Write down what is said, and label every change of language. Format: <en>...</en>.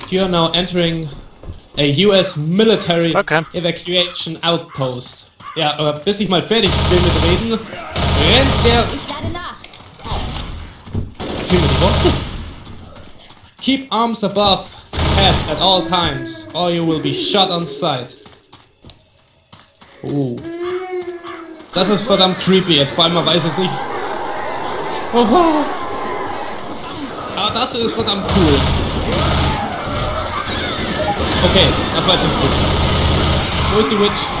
<en>You are now entering a US military evacuation outpost.</en> <de>Ja, aber bis ich mal fertig bin mit Reden, rennt der. Ich werde nach.</de> <en>Keep arms above head at all times, or you will be shot on sight. Oh.</en> <de>Das ist verdammt creepy, jetzt vor allem man weiß es nicht. Oho. Ah, das ist verdammt cool. Okay, das war jetzt nicht cool. Wo ist die Witch?</de>